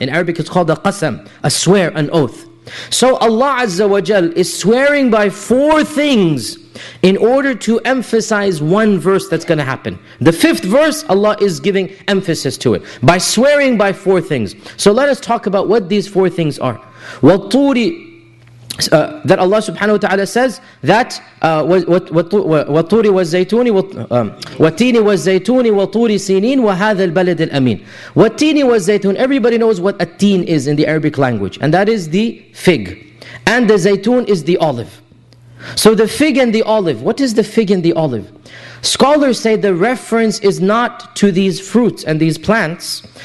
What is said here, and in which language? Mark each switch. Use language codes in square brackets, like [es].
[en] In Arabic it's called a qasam, a swear, an oath. So Allah Azza wa Jal is swearing by four things in order to emphasize one verse that's going to happen. The fifth verse, Allah is giving emphasis to it by swearing by four things. So let us talk about what these four things are. [ar] وَالطُّورِ [en] that Allah subhanahu wa ta'ala says that [ar] وَالطُّورِ وَالزَّيْتُونِ وَالتِّينِ وَالزَّيْتُونِ وَالطُّورِ سِينِينَ وَهَذَا الْبَلَدِ الْأَمِينِ. وَالتِّينِ وَالزَّيْتُونِ, [en] everybody knows what a teen is in the Arabic language, and that is the fig. And the zaytun is the olive. So the fig and the olive, what is the fig and the olive? Scholars say the reference is not to these fruits and these plants.